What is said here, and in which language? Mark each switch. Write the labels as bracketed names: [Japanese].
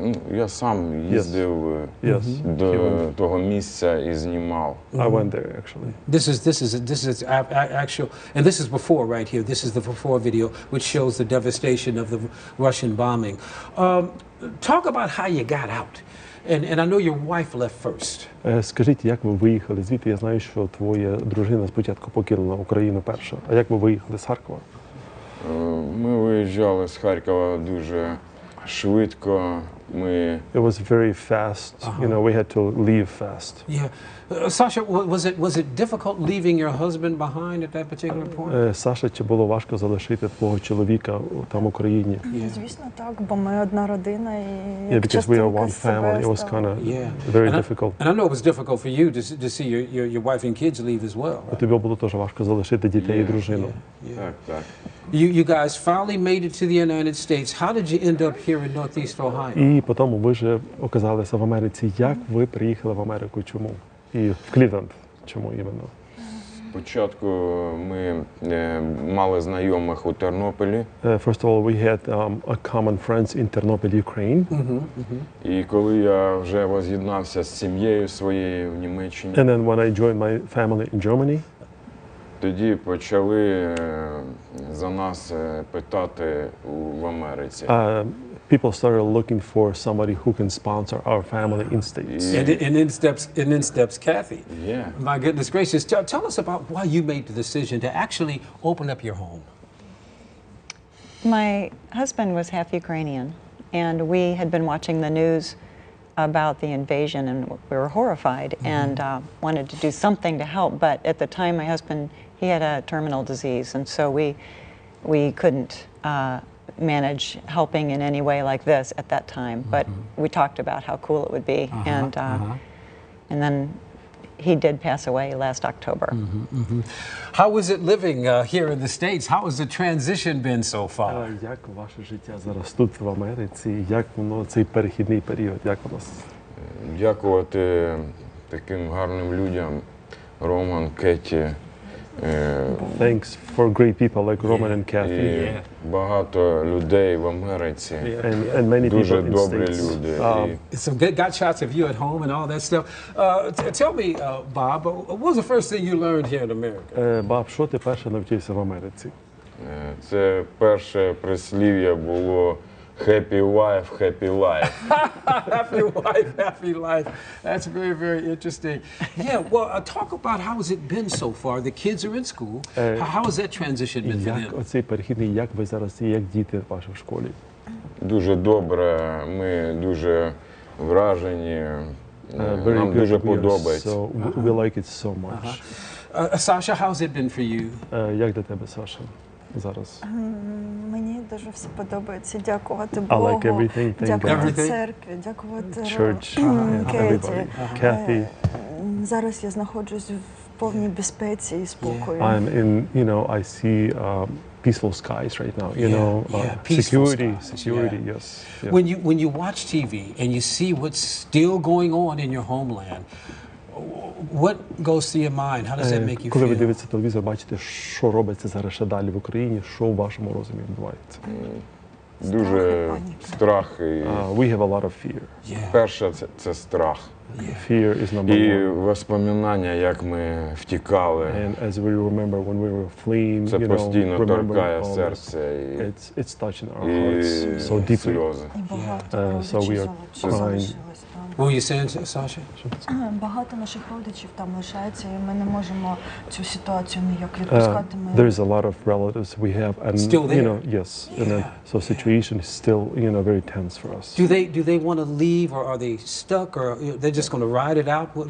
[Ukrainian] Я сам їздив до того місця і знімав. [English] I went there actually. This is actual, and this is before right here. This is the before video, which shows the devastation of the Russian bombing. Talk about how you got out. And I know your wife left first. [Ukrainian] Скажіть, як ви виїхали звідти? Я знаю, що твоя дружина спочатку покинула Україну першу. А як ви виїхали з Харкова? Ми виїжджали з Харкова дуже швидко. [English] It was very fast. You know, we had to leave fast. Sasha, was it difficult leaving your husband behind at that particular point? [Ukrainian] Саша, чи було важко залишити твого чоловіка там в Україні? Звісно, так, бо ми одна родина і [English] Because we are one family. It was kind of very difficult. And I know it was difficult for you to see your wife and kids leave as well. [Ukrainian] Тобі було теж важко залишити дітей і дружину. Так. [English] You guys finally made it to the United States. How did you end up here in Northeast Ohio? [Ukrainian] І потім ви вже оказалися в Америці. Як ви приїхали в Америку? Чому? І в Клівленд? Чому іменно? Спочатку ми мали знайомих у Тернополі. [English] First of all, we had a common friends in Тернополь, Ukraine. [Ukrainian] І коли я вже воз'єднався з сім'єю своєю в Німеччині. [English] And then when I joined my family in Germany. [Ukrainian] Тоді почали за нас питати в Америці. [English] People started looking for somebody who can sponsor our family in States. And in steps Kathy. Yeah. My goodness gracious. Tell us about why you made the decision to actually open up your home. My husband was half Ukrainian, and we had been watching the news about the invasion, and we were horrified and wanted to do something to help. But at the time, my husband, he had a terminal disease, and so we couldn't manage helping in any way like this at that time, but we talked about how cool it would be, and then he did pass away last October. How was it living here in the States? How has the transition been so far? [Ukrainian] Як ваше життя зараз тут в Америці? Як воно цей перехідний період? Як воно? Дякувати таким гарним людям, Роман, Кеті. [English] Thanks for great people like Roman and Kathy. [Ukrainian] Багато людей в Америці. [English] And many people [Ukrainian] дуже добрі [English] in States. [Ukrainian] Люди. [English] Some good got shots of you at home and all that stuff. Tell me, Bob, what was the first thing you learned here in America? [Ukrainian] Bob, що ти перше навчився в Америці? Це перше прислів'я було [English] happy wife, happy life. Happy wife, happy life. That's very, very interesting. Talk about how has it been so far? The kids are in school. How has that transition been for them? [Ukrainian] Оцей перехідний, як ви зараз і як діти ваші в школі? Дуже добре. Ми дуже вражені. Нам дуже подобається. [English] We like it so much. Sasha, how's it been for you? [Ukrainian] Як для тебе, Саша? Зараз мені дуже все подобається. Дякувати Богу, [English] like [Ukrainian] дякувати церкві, дякувати [English] Church, [Ukrainian] Кеті. Кеті. Зараз я знаходжусь в повній безпеці і спокою. [English] I'm in, you know, I see peaceful skies right now. Security. Yes. When you watch TV and you see what's still going on in your homeland, what goes through your mind? How does that make you feel? [Ukrainian] Коли ви дивитеся телевізор, бачите, що робиться зараз ще далі в Україні, що у вашому розумі відбувається? Дуже страх і [English] we have a lot of fear. [Ukrainian] Yeah. Перше це страх. [English] Yeah. Fear is number [Ukrainian] one. І воспоминання, як ми втікали. [English] And as we remember when we were fleeing, [Ukrainian] це постійно торкає серце. [English] It's touching our hearts so deeply. [Ukrainian] Сльози. [English] So we are crying. What were you saying, Sasha? [Ukrainian] Багато наших родичів там лишається, і ми не можемо цю ситуацію ніяк відпускати. [English] There is a lot of relatives we have, and still there? You know, yes. Yeah. And then, so situation is still, you know, very tense for us. Do they want to leave, or are they stuck, or they're just going to ride it out?